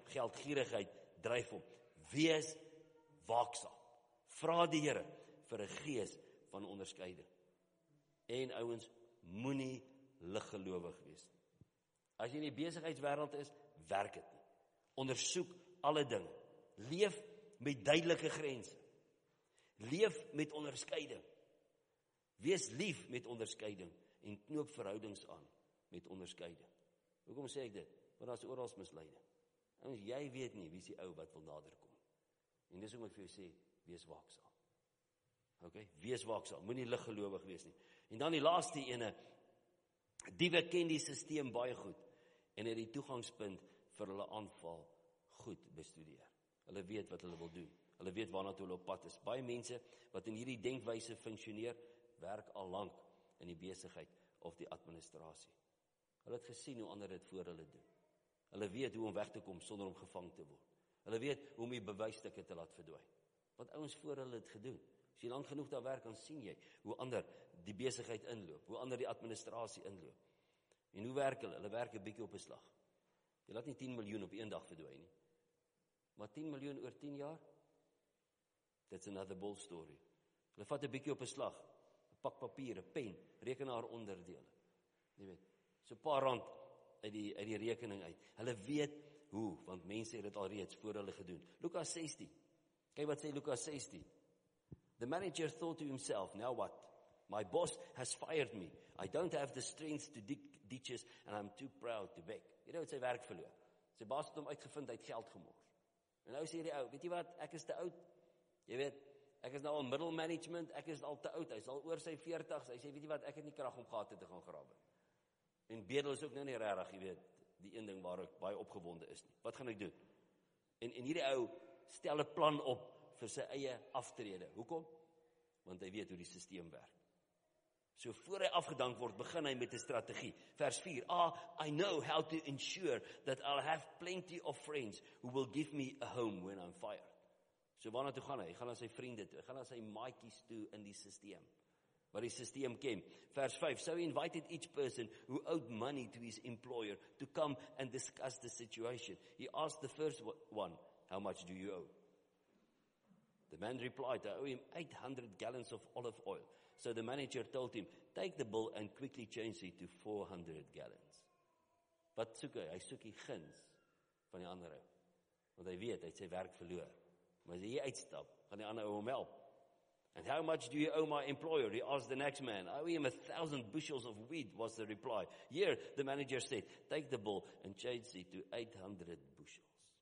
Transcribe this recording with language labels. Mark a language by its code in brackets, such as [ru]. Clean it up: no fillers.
[af] Geldgierigheid dryf hom. Wees waaksaam. Vra die Here vir 'n gees van onderskeiding. En ouens, moenie liggelowig wees. As jy in die besigheidswêreld is, werk dit. Ondersoek alle dinge. Leef met duidelike grense. Leef met onderskeiding. Wees lief met onderskeiding en knoop verhoudings aan met onderskeiding. Hoekom sê ek dit? Want daar is oral misleiding. En jy weet nie wie is die ou wat wil naderkom. En dis hoekom ek vir jou sê, wees waaksaam. OK, wees waaksaam. Moenie liggelowig wees nie. En dan die laaste ene, diewe ken die stelsel baie goed en het die toegangspunt vir hulle aanval goed bestudeer. Hulle weet wat hulle wil doen. Hulle weet waarna toe hulle op pad is. Baie mense wat in hierdie denkwyse funksioneer, werk al lank in die besigheid of die administrasie. Hulle het gesien hoe ander dit voor hulle doen. Hulle weet hoe om weg te kom sonder om gevang te word. Hulle weet hoe om die bewysstukke te laat verdwaai. Wat ouens voor hulle het gedoen. As jy lank genoeg daar werk, dan sien jy hoe ander die besigheid inloop, hoe ander die administrasie inloop. En hoe werk hulle? Hulle werk 'n bietjie op 'n slag. Jy laat nie 10 miljoen op een dag verdwaai nie. Maar 10 miljoen oor 10 jaar? [en] That's another bull story. [af] Hulle vat 'n bietjie op 'n slag. 'N Pak papier, 'n pen, rekenaar onderdele. Jy weet, so 'n paar rand uit die rekening uit. Hulle weet hoe, want mense het dit al reeds voor hulle gedoen. Lukas 16. Kyk wat sê Lukas 16. [en] The manager thought to himself, now what? My boss has fired me. I don't have the strength to dig ditches and I'm too proud to beg. [af] Jy weet, sy werk verloor. Sy baas het hom uitgevind, hy het geld gemors. En nou sê die ou, weet jy wat, ek is te oud. Jy weet, ek is nou al middle management, ek is al te oud. Hy is al oor sy 40s. Hy sê, weet jy wat, ek het nie krag om gate te gaan grawe. En bedel is ook nou nie regtig, jy weet, die een ding waar ek baie opgewonde is nie. Wat gaan ek doen? En hierdie ou stel 'n plan op vir sy eie aftrede. Hoekom? want hy weet hoe die systeem werk. So voor hy afgedank word, begin hy met 'n strategie. [en] Vers 4, I know how to ensure that I'll have plenty of friends who will give me a home when I'm fired. [af] So waarna toe gaan hy? Hy gaan na sy vriende toe, hy gaan na sy maatjies toe in die systeem, wat die systeem ken. [en] Vers 5, so he invited each person who owed money to his employer to come and discuss the situation. He asked the first one, how much do you owe? The man replied, I owe him 800 gallons of olive oil. So the manager told him, take the bill and quickly change it to 400 gallons. [af] Wat soek hy? Hy soek die guns van die andere. Want hy weet, hy het sy werk verloor. Maar as hy hier uitstap, gaan die ander hom help. [en] And how much do you owe my employer? He asked the next man. I owe him 1,000 bushels of wheat, was the reply. Here, the manager said, take the bill and change it to 800 bushels.